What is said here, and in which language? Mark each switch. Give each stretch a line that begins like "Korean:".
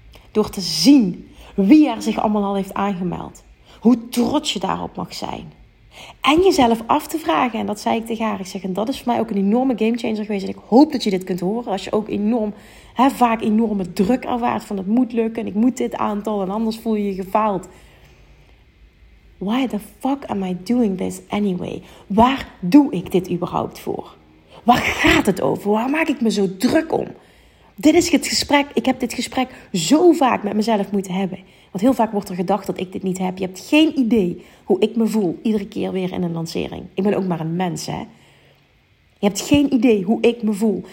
Dutch: Door te zien wie er zich allemaal al heeft aangemeld. Hoe trots je daarop mag zijn. En jezelf af te vragen, en dat zei ik tegen haar, ik zeg, en dat is voor mij ook een enorme gamechanger geweest. En ik hoop dat je dit kunt horen als je ook enorm, vaak enorme druk ervaart van het moet lukken en ik moet dit aantal en anders voel je je gefaald.
English: Why the fuck am I doing this anyway?
Dutch: Waar doe ik dit überhaupt voor? Waar gaat het over? Waar maak ik me zo druk om? Dit is het gesprek, ik heb dit gesprek zo vaak met mezelf moeten hebben. Want heel vaak wordt er gedacht dat ik dit niet heb. Je hebt geen idee hoe ik me voel iedere keer weer in een lancering. Ik ben ook maar een mens, hè. Je hebt geen idee hoe ik me voel.